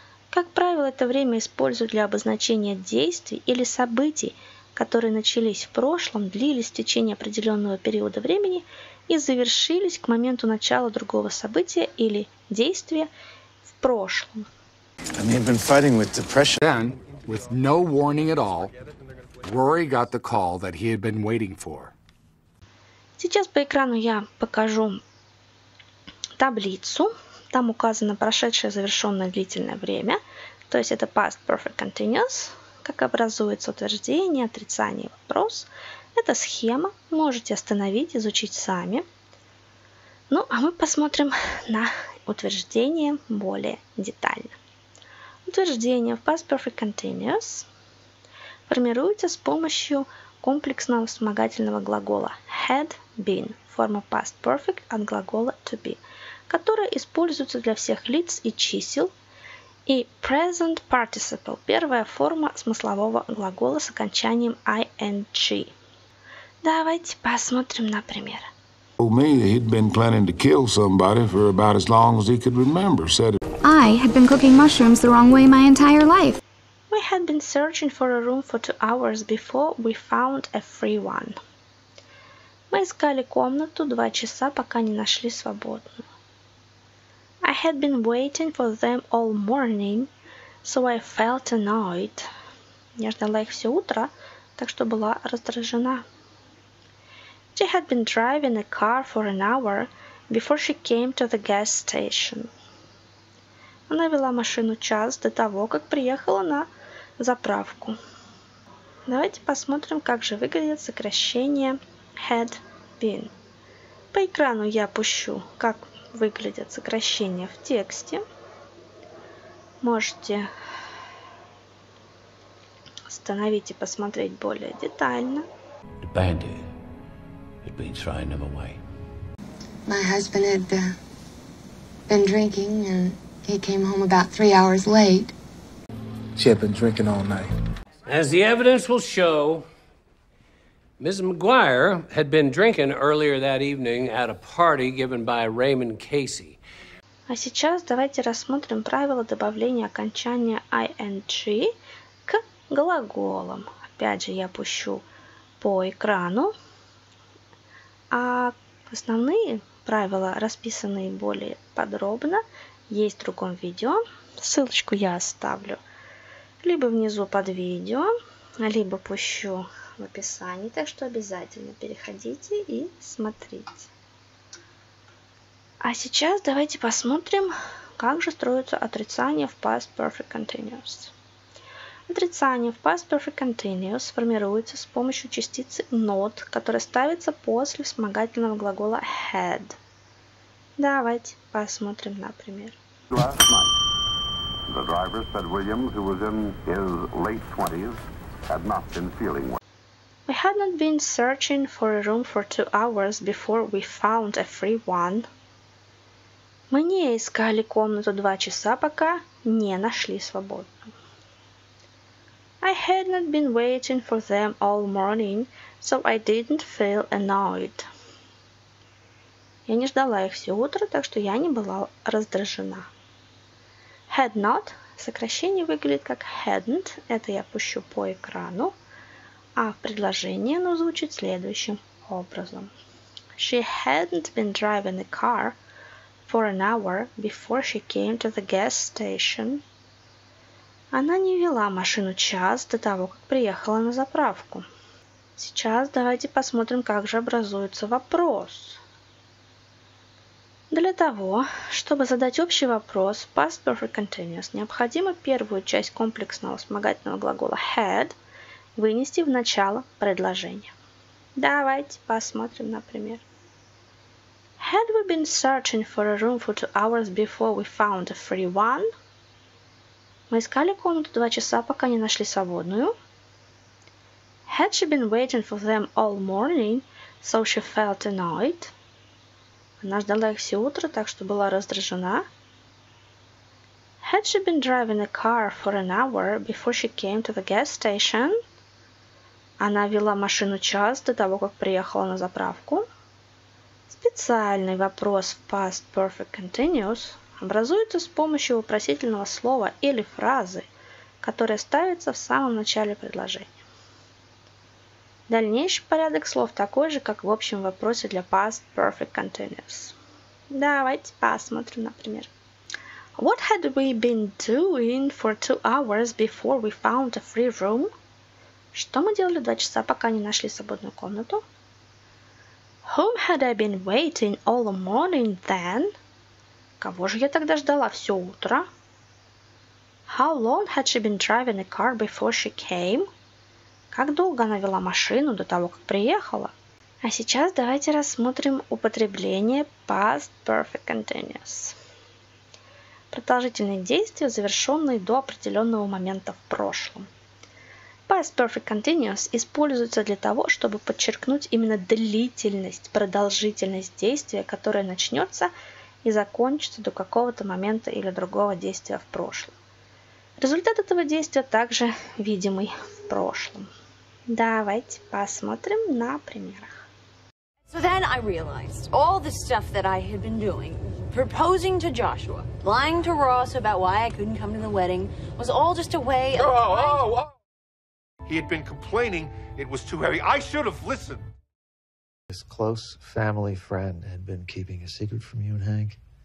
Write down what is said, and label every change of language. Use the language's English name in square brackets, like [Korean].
[Russian] Как правило, это время используют для обозначения действий или событий, которые начались в прошлом, длились в течение определенного периода времени и завершились к моменту начала другого события или действия в прошлом. [English] And they've been fighting with depression. Then, with no warning at all, Rory got the call that he had been waiting for. [Russian] Сейчас по экрану я покажу таблицу. Там указано прошедшее завершенное длительное время. То есть это past perfect continuous. Как образуется утверждение, отрицание, вопрос. Это схема. Можете остановить, изучить сами. Ну, а мы посмотрим на утверждение более детально. Утверждение в Past Perfect Continuous формируется с помощью комплексного вспомогательного глагола had been, форма Past Perfect от глагола to be, которая используется для всех лиц и чисел, и Present Participle, первая форма смыслового глагола с окончанием ing. Давайте посмотрим на пример. [English] Told me he'd been planning to kill somebody for about as long as he could remember, said it. I had been cooking mushrooms the wrong way my entire life. We had been searching for a room for 2 hours before we found a free one. [Russian] Мы искали комнату 2 часа, пока не нашли свободную. [English] I had been waiting for them all morning, so I felt annoyed. [Russian] Я ждала их все утро, так что была раздражена. [English] She had been driving a car for an hour before she came to the gas station. [Russian] Она вела машину час до того, как приехала на заправку. Давайте посмотрим, как же выглядит сокращение had been. По экрану я пущу, как выглядят сокращения в тексте. Можете остановить и посмотреть более детально. [English] The bandit had been throwing them away. My husband had been drinking and... He came home about 3 hours late. She had been drinking all night. As the evidence will show, Ms. McGuire had been drinking earlier that evening at a party given by Raymond Casey. [Russian] А сейчас давайте рассмотрим правила добавления окончания ing к глаголам. Опять же, я пущу по экрану. А основные правила расписаны более подробно. Есть в другом видео, ссылочку я оставлю либо внизу под видео, либо пущу в описании, так что обязательно переходите и смотрите. А сейчас давайте посмотрим, как же строится отрицание в Past Perfect Continuous. Отрицание в Past Perfect Continuous формируется с помощью частицы not, которая ставится после вспомогательного глагола had. Давайте посмотрим, например. [English] Last night, the driver said Williams, who was in his late 20s, had not been feeling well. We had not been searching for a room for 2 hours before we found a free one. [Russian] Мы не искали комнату 2 часа, пока не нашли свободную. [English] I had not been waiting for them all morning, so I didn't feel annoyed. [Russian] Я не ждала их все утро, так что я не была раздражена. Had not, сокращение выглядит как hadn't, это я пущу по экрану, а в предложении оно звучит следующим образом. [English] She hadn't been driving a car for an hour before she came to the gas station. [Russian] Она не вела машину час до того, как приехала на заправку. Сейчас давайте посмотрим, как же образуется вопрос. Для того, чтобы задать общий вопрос, past perfect continuous, необходимо первую часть комплексного вспомогательного глагола had вынести в начало предложения. Давайте посмотрим, например. [English] Had we been searching for a room for 2 hours before we found a free one? [Russian] Мы искали комнату 2 часа, пока не нашли свободную. [English] Had she been waiting for them all morning, so she felt annoyed? [Russian] Она ждала их все утро, так что была раздражена. [English] Had she been driving a car for an hour before she came to the gas station? [Russian] Она вела машину час до того, как приехала на заправку. Специальный вопрос в past perfect continuous образуется с помощью вопросительного слова или фразы, которая ставится в самом начале предложения. Дальнейший порядок слов такой же, как в общем вопросе для past perfect continuous. Давайте посмотрим, например. [English] What had we been doing for 2 hours before we found a free room? [Russian] Что мы делали 2 часа, пока не нашли свободную комнату? [English] Whom had I been waiting all the morning then? [Russian] Кого же я тогда ждала все утро? [English] How long had she been driving a car before she came? [Russian] Как долго она вела машину до того, как приехала? А сейчас давайте рассмотрим употребление past perfect continuous. Продолжительные действия, завершенные до определенного момента в прошлом. Past perfect continuous используется для того, чтобы подчеркнуть именно длительность, продолжительность действия, которое начнется и закончится до какого-то момента или другого действия в прошлом. Результат этого действия также видимый в прошлом. Давайте посмотрим на примерах. [English] So then I realized all the stuff that I had been doing, proposing to Joshua, lying to Ross about why I couldn't come to the wedding, was all just a way of... He had been complaining it was too heavy. I should have listened. This close family friend had been keeping a secret from you and Hank.